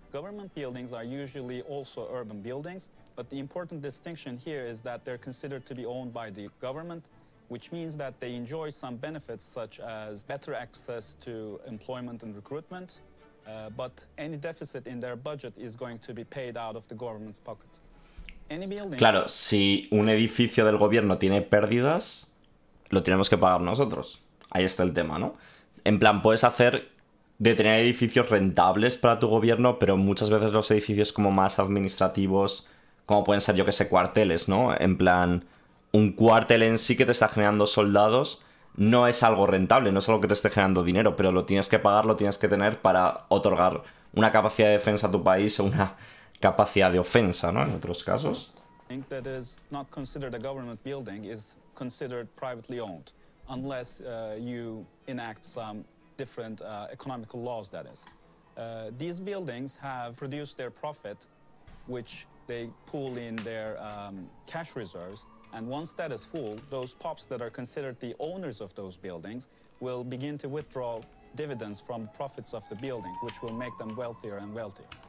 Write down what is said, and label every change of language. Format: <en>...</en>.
<en>Government buildings are usually also urban buildings, but the important distinction here is that they're considered to be owned by the government, which means that they enjoy some benefits such as better access to employment and recruitment, but any deficit in their budget is going to be paid out of the government's pocket. Any building.</en> <es>Claro, si un edificio del gobierno tiene pérdidas, lo tenemos que pagar nosotros. Ahí está el tema, ¿no? En plan, puedes hacer de tener edificios rentables para tu gobierno, pero muchas veces los edificios como más administrativos, como pueden ser, yo que sé, cuarteles, ¿no? En plan, un cuartel en sí que te está generando soldados no es algo rentable, no es algo que te esté generando dinero, pero lo tienes que pagar, lo tienes que tener para otorgar una capacidad de defensa a tu país o una capacidad de ofensa, ¿no? En otros casos.</es> <en>that is not considered a government building is considered privately owned, unless you enact some different economical laws, that is. These buildings have produced their profit, which they pool in their cash reserves, and once that is full, those pops that are considered the owners of those buildings will begin to withdraw dividends from the profits of the building, which will make them wealthier and wealthier.</en>